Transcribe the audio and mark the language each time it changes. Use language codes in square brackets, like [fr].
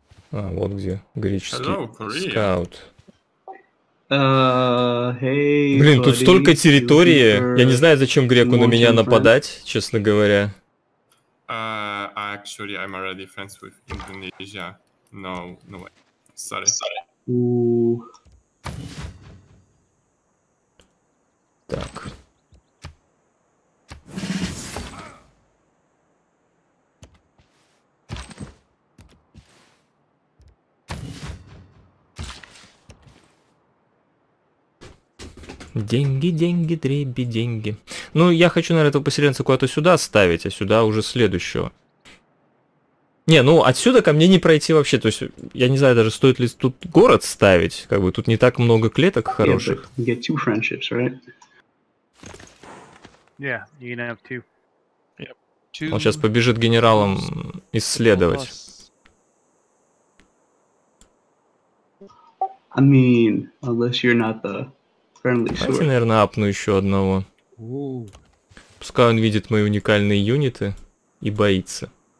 [ru] А, вот где греческий скаут. Блин, тут столько территории. Я не знаю, зачем греку на меня нападать, честно говоря. [en] Actually, I'm already friends with Indonesia. No, no way. Sorry. [ru] Так. Деньги, деньги, треби, деньги. Ну, я хочу, наверное, этого поселенца куда-то сюда ставить, а сюда уже следующего. Не, ну, отсюда ко мне не пройти вообще. То есть, я не знаю, даже стоит ли тут город ставить. Как бы, тут не так много клеток хороших. [en] Yeah, get two friendships, right? Yeah, you can have two. Yep. [ru] Two. Он сейчас побежит генералам исследовать. [en] I mean, unless you're not the... [ru] Давайте, наверное, апну еще одного. Пускай он видит мои уникальные юниты и боится.